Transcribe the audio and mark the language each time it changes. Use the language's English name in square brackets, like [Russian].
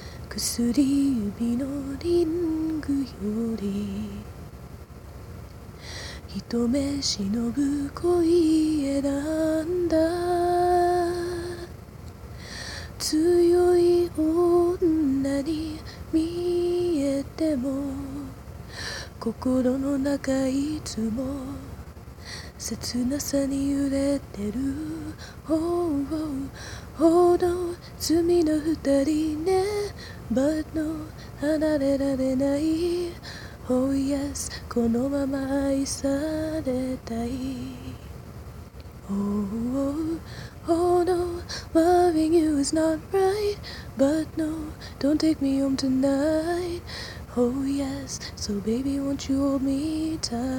[Japanese] 薬指のリングより、一目忍ぶ恋選んだ。強い女に見えても、心の中いつも切なさに揺れてる。 Oh, oh, oh, oh, no, 罪の二人ね。 [English] But no, [Japanese] 離れられない。 [English] Oh, yes, [Japanese] このまま愛されたい。 [English] Oh, oh, oh, oh, no, loving you is not right. But no, don't take me home tonight. Oh, yes, so baby, won't you hold me tight?